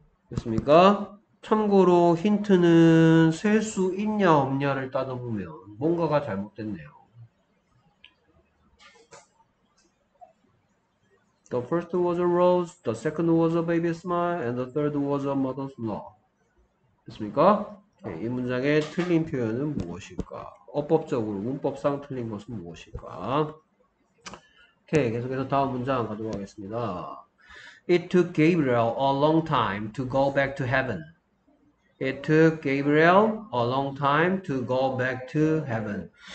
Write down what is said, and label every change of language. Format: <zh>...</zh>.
<ko>됐습니까? 참고로 힌트는 셀수 있냐 없냐를 따져 보면 뭔가가 잘못됐네요.</ko> <en>The first was a rose, the second was a baby's smile, and the third was a mother's love.</en> <ko>됐습니까? 네, 이 문장의 틀린 표현은 무엇일까? 어법적으로, 문법상 틀린 것은 무엇일까? 오케이, 계속해서 다음 문장 가져가겠습니다.</ko> <en>It took Gabriel a long time to go back to heaven. It took Gabriel a long time to go back to heaven.</en>